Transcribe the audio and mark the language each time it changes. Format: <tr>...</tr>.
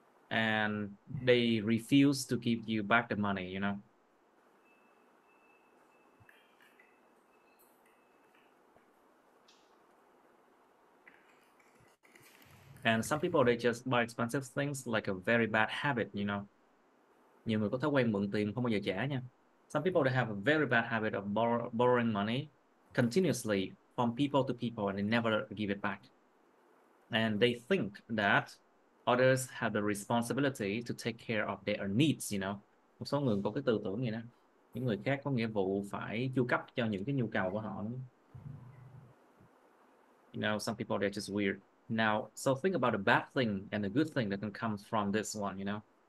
<en>And they refuse to give you back the money, you know? And some people, they just buy expensive things like a very bad habit, you know?</en> <vi>Nhiều người có thói quen mượn tiền không bao giờ trả nha.</vi> <en>Some people, they have a very bad habit of borrowing money continuously from people to people and they never give it back. And they think that others have the responsibility to take care of their needs, you know?</en> <vi>Một số người có cái tư tưởng như thế. Những người khác có nghĩa vụ phải chu cấp cho những cái nhu cầu của họ.</vi> <en>You know, some people, they're just weird. Now, so think about a bad thing and a good thing that can come from this one, you know?</en>